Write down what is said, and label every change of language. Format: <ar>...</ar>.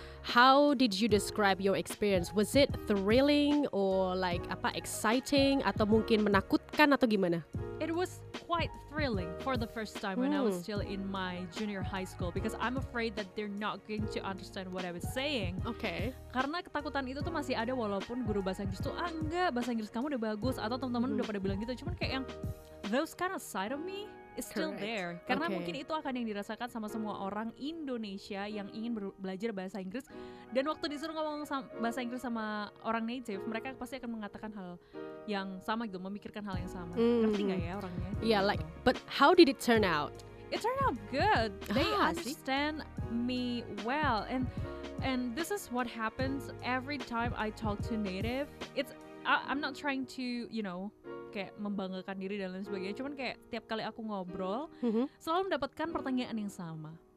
<en>how did you describe your experience? Was it thrilling or like apa, exciting</en> <id>atau mungkin menakutkan atau gimana?</id> <en>It was quite thrilling for the first time when I was still in my junior high school because I'm afraid that they're not going to understand what I was saying. Okay.</en> <id>Karena ketakutan itu tuh masih ada walaupun guru bahasa Inggris tuh, enggak, bahasa Inggris kamu udah bagus atau teman-teman udah pada bilang gitu, cuman kayak yang</id> <en>those kind of side of me is still there.</en> <id>Karena mungkin itu akan yang dirasakan sama semua orang Indonesia yang ingin belajar bahasa Inggris. Dan waktu disuruh ngomong bahasa Inggris sama orang native, mereka pasti akan mengatakan hal yang sama gitu, memikirkan hal yang sama. Ngerti gak ya orangnya?</id> <en>Yeah, like, but how did it turn out? It turned out good. They understand me well. And this is what happens every time I talk to native. I'm not trying to, you know,</en> <id>kayak membanggakan diri dan lain sebagainya, cuman kayak tiap kali aku ngobrol selalu mendapatkan pertanyaan yang sama.</id>